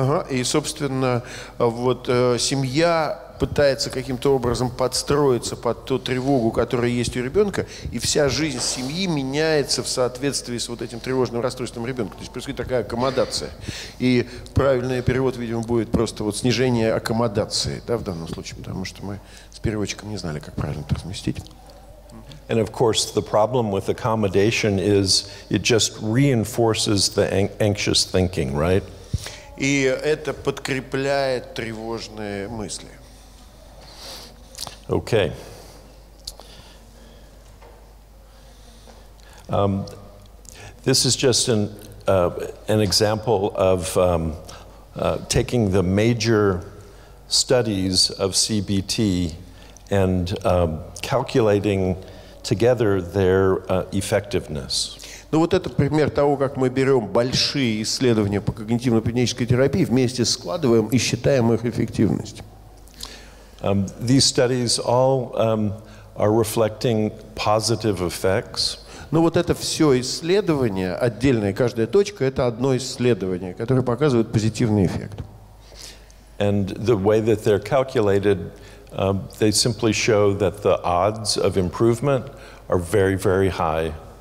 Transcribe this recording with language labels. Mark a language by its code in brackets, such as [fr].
[ru] И, собственно, вот семья пытается каким-то образом подстроиться под ту тревогу, которая есть у ребенка, и вся жизнь семьи меняется в соответствии с вот этим тревожным расстройством ребенка. То есть происходит такая аккомодация. И правильный перевод, видимо, будет просто вот снижение аккомодации, да, в данном случае, потому что мы с переводчиком не знали, как правильно это разместить. [en] And of course, the problem with accommodation is it just reinforces the anxious thinking, right? [ru] И это подкрепляет тревожные мысли. [en] Okay. This is just an example of taking the major studies of CBT and calculating together their effectiveness. [ru] Ну вот это пример того, как мы берем большие исследования по когнитивно-поведенческой терапии, вместе складываем и считаем их эффективность. [en] These studies all are reflecting positive effects. [ru] Ну вот это все исследования, отдельная каждая точка, это одно исследование, которое показывает позитивный эффект. [en] And the way that they're calculated, they simply show that the odds of improvement are very, very high.